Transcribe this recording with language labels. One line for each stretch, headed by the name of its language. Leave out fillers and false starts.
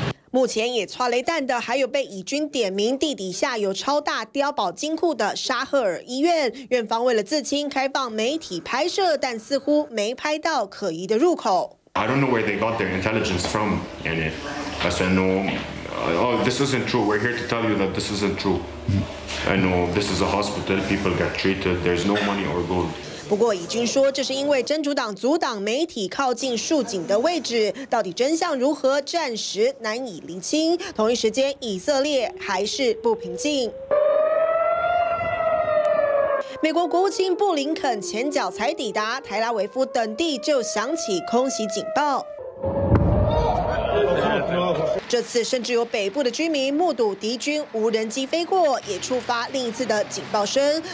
Chinese: 目前也擦雷弹的还有被以军点名地底下有超大碉堡金库的沙赫尔医院，院方为了自清开放媒体拍摄，但似乎没拍到可疑的入口。
English: I don't know where they got their intelligence from. And I said no, oh, this isn't true. We're here to tell you that this isn't true. I know this is a hospital. People get treated. There's no money or gold.
Chinese: 不过以军说这是因为真主党阻挡媒体靠近竖井的位置，到底真相如何暂时难以厘清。同一时间，以色列还是不平静。美国国务卿布林肯前脚才抵达台拉维夫等地就响起空袭警报，这次甚至有北部的居民目睹敌军无人机飞过，也触发另一次的警报声。